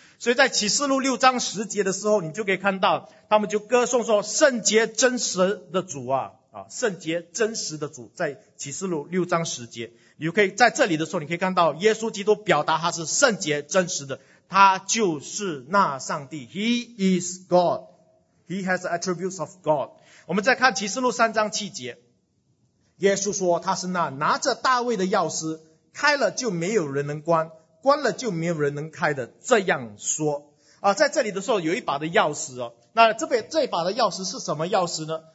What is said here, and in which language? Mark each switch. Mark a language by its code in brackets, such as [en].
[zh] 所以在启示录6章10节的时候，你就可以看到他们就歌颂说圣洁真实的主啊，圣洁真实的主。在启示录6章10节，你可以在这里的时候，你可以看到耶稣基督表达他是圣洁真实的，他就是那上帝。 [en] He is God, He has the attributes of God。 [zh] 我们再看启示录3章7节，耶稣说他是那拿着大卫的钥匙，开了就没有人能关，关了就没有人能开的，这样说啊。在这里的时候有一把的钥匙哦，那这把的钥匙是什么钥匙呢？